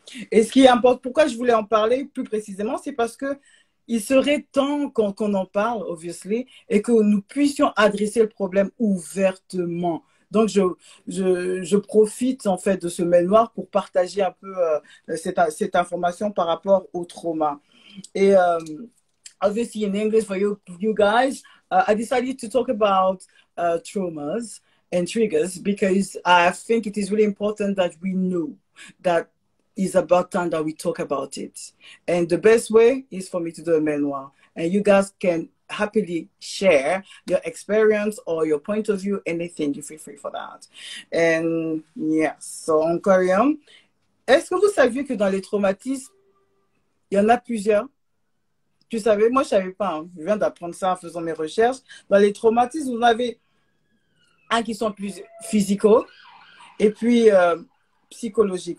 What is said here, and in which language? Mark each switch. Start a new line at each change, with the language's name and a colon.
French: Et ce qui importe, pourquoi je voulais en parler plus précisément, c'est parce que il serait temps qu'on en parle, obviously, et que nous puissions adresser le problème ouvertement. Donc, je profite, en fait, de ce mail noir pour partager un peu cette information par rapport au trauma.
English: Et, obviously, in English, for you guys, I decided to talk about traumas and triggers because I think it is really important that we know that it's about time that we talk about it. And the best way is for me to do a memoir. And you guys can happily share your experience or your point of view, anything, you feel free for that. And yes, so on carry on.
French: Est-ce que vous saviez que dans les traumatismes, il y en a plusieurs? Tu savais, moi je savais pas, hein. Je viens d'apprendre ça en faisant mes recherches. Dans les traumatismes, vous avez un qui sont plus physicaux et puis psychologiques.